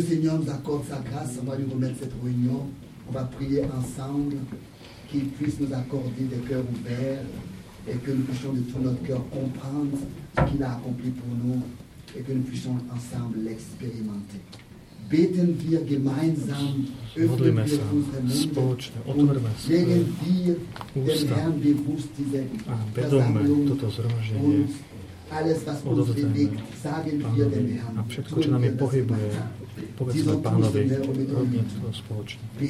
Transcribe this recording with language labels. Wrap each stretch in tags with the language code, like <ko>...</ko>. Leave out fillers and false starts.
<fr>le Seigneur nous accorde sa grâce, on va lui remettre cette réunion, on va prier ensemble, qu'il puisse nous accorder des cœurs ouverts, et que nous puissions de tout notre cœur comprendre ce qu'il a accompli pour nous, et que nous puissions ensemble l'expérimenter.</fr> <de>Beten wir gemeinsam, öffnen wir unsere Münde und legen wir dem Herrn bewusst diese Versammlung und alles, was uns bewegt, sagen wir dem Herrn.</de> <sk>A všetko, čo nám je pohybuje, povedzme Pánovi, robme to spoločne.</sk>